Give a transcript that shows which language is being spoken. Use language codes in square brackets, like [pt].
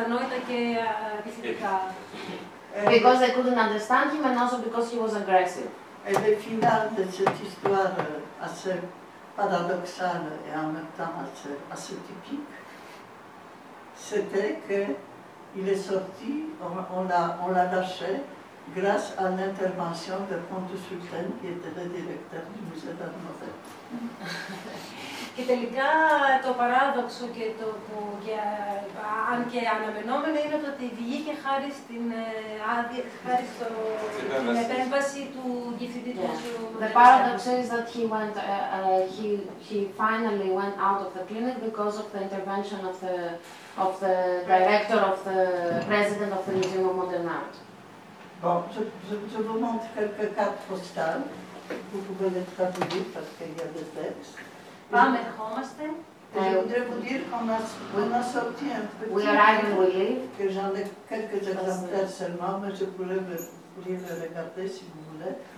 [en] Because they couldn't understand him and also because he was aggressive. [fr] Et le final de cette histoire assez paradoxale et en même temps assez typique, c'était qu'il est sorti, on l'a lâché grâce à l'intervention de Ponto Sultan, qui était le directeur du musée d'Armoret. [el] Και τελικά το παράδοξο και το που και, αν και αναμενόμενο είναι το ότι βγήκε χάρη στην χάρη στο, την επέμβαση του διευθυντή του. [en] The paradox is that he went he finally went out of the clinic because of the intervention of the director of the president of the Museum of Modern Art. [fr] Bon, je vous montre quelques cartes postales. Vous pouvez les traduire parce qu'il y a des textes. [el] Πάμε, ερχόμαστε. [fr] Je voudrais vous dire qu'on a sorti un petit. [en] We arrive and we leave. [fr] Que j'en ai quelques exemplaires seulement, mais je pourrais le regarder si vous voulez.